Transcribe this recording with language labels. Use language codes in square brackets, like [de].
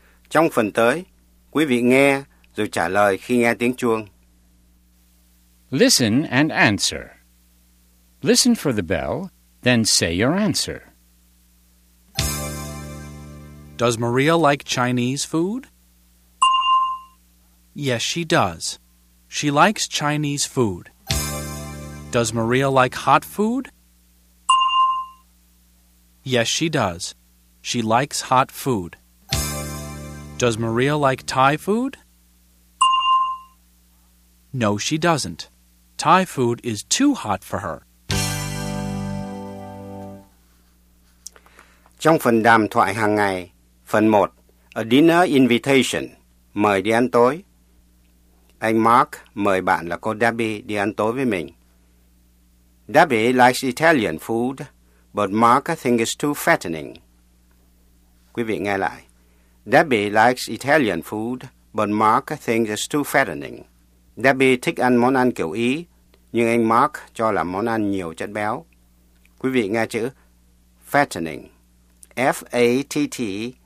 [vi] Trong phần tới, quý vị nghe rồi trả lời khi nghe tiếng chuông. [en] Listen and answer. Listen for the bell, then say your answer. Does Maria like Chinese food? Yes, she does. She likes Chinese food. Does Maria like hot food? Yes, she does. She likes hot food. Does Maria like Thai food? No, she doesn't. Thai food is too hot for her. [vi] Trong phần đàm thoại hàng ngày, phần 1, A Dinner Invitation, mời đi ăn tối. Anh Mark mời bạn là cô Debbie đi ăn tối với mình. [en] Debbie likes Italian food, but Mark thinks it's too fattening. [vi] Quý vị nghe lại. [en] Debbie likes Italian food, but Mark thinks it's too fattening. [vi] Debbie thích ăn món ăn kiểu Ý, nhưng anh Mark cho là món ăn nhiều chất béo. Quý vị nghe chữ fattening. F-A-T-T-E-N-I-N-G.